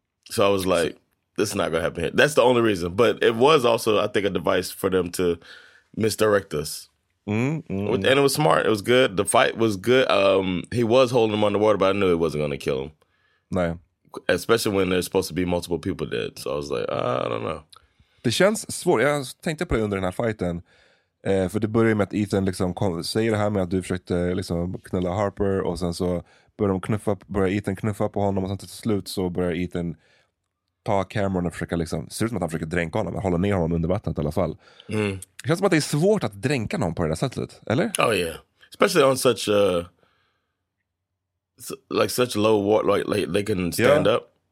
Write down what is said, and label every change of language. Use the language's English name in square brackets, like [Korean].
[English] So I was like, this is not gonna happen here. That's the only reason. But it was also, I think, a device for them to misdirect us. And it was smart. It was good. The fight was good. He was holding him underwater, but I knew it wasn't gonna kill him. [Swedish] Nej. [English] Especially when there's supposed to be multiple people dead. So I was like, I don't know. [Swedish] Det känns svårt. Jag tänkte på det under den här fighten. För det börjar med att Ethan liksom säger det här med att du försökte liksom knulla Harper, och sen så börjar Ethan knuffa på honom, och sen till slut så börjar Ethan ta Cameron och försöka liksom, ser ut som att han försöker dränka honom, hålla ner honom under vattnet i alla fall. Det känns som att det är svårt att dränka någon på det där sättet, eller? [English] Oh yeah, especially on such a like such low water, like they can stand up.